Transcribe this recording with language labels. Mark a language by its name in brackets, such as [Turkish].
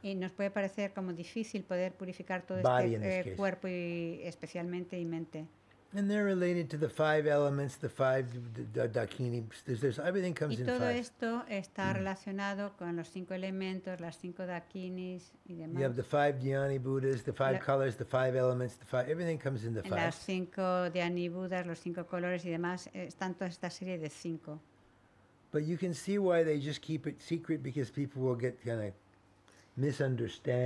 [Spanish] Y nos puede parecer como difícil poder purificar todo [English] body [Spanish] este cuerpo y especialmente y mente. [English] And they're related to the five elements, the five dakini. There's everything comes in five. [Spanish] Y todo esto está relacionado con los cinco elementos, las cinco dakinis y demás. [English] You have the five dhyani buddhas, the five colors, the five elements, the five. Everything comes in the five. [Spanish] Las cinco dhyani buddhas, los cinco colores y demás, están toda esta serie de cinco. [English] But you can see why they just keep it secret because people will get kind of misunderstand.